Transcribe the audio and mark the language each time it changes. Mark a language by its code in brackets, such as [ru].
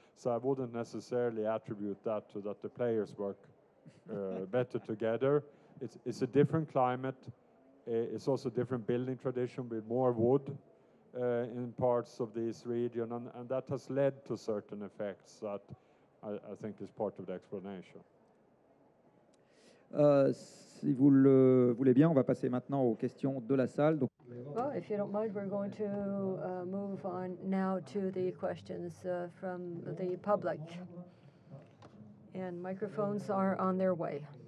[en] So I wouldn't necessarily attribute that to that the players work better together. It's a different climate. It's also a different building tradition with more wood in parts of this region, and that has led to certain effects that I think is part of the explanation. [fr] Si vous le voulez bien, on va passer maintenant aux questions de la salle. Donc [en] well, if you don't mind, we're going to move on now to the questions from the public. And microphones are on their way.